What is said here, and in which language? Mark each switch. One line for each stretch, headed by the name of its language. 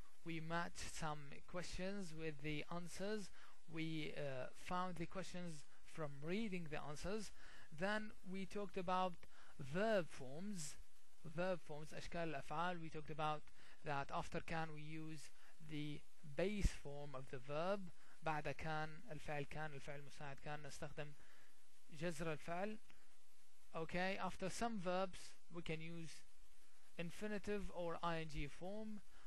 English: We matched some questions with the answers. We found the questions from reading the answers. Then we talked about verb forms,
Arabic: أشكال الأفعال.
English: We talked about that after can we use the base form of the verb.
Arabic: بعد كان الفعل المساعد كان نستخدم جزر الفعل.
English: Okay, after some verbs we can use infinitive or ing forms.